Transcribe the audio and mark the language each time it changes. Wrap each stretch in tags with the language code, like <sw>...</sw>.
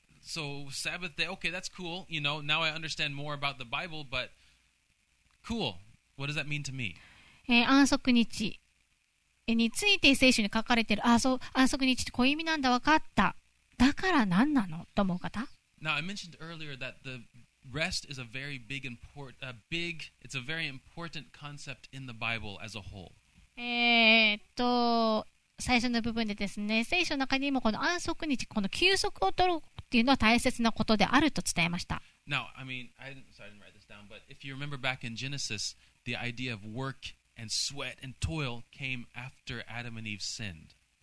<en>So Sabbath day, okay, that's cool. You know, now I understand more about the Bible, but cool. What does that mean to me?</en> <ja>安息日について聖書に書かれている安息日ってこういう意味なんだ、分かった、だから何なのと思う方。</ja> <en>Now I mentioned earlier that the rest is a very big important it's a very important concept in the Bible as a whole.</en> <ja>最初の部分でですね、聖書の中にもこの安息日、この休息を取るっていうのは大切なことであると伝えました。</ja> <en>Now, I mean, I didn't write this down, but if you remember back in Genesis, the idea of work and sweat and toil came after Adam and Eve sinned.</en>